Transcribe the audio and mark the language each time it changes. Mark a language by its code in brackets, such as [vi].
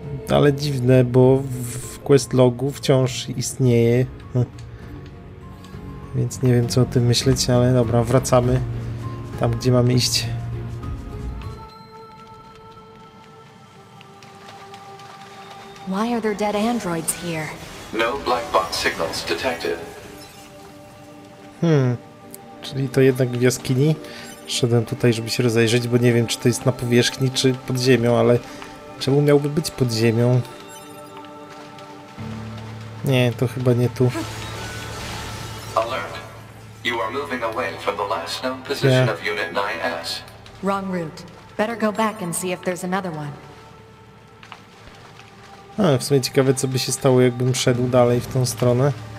[pl] Ale dziwne, bo w quest logu wciąż istnieje. Więc nie wiem, co o tym myśleć, ale dobra, wracamy tam, gdzie mamy iść. [en] Why are there dead androids here? No black box signals detected. [pl] Czyli to jednak w jaskini. Szedłem tutaj, żeby się rozejrzeć, bo nie wiem, czy to jest na powierzchni, czy pod ziemią, ale czemu miałby być pod ziemią? Nie, to chyba nie tu. [en] Alert. You are moving away from the last known position of Unit 9S. Wrong route. Better go back and see if there's another one. [pl] A, w sumie ciekawe, co by się stało, jakbym szedł dalej w tą stronę.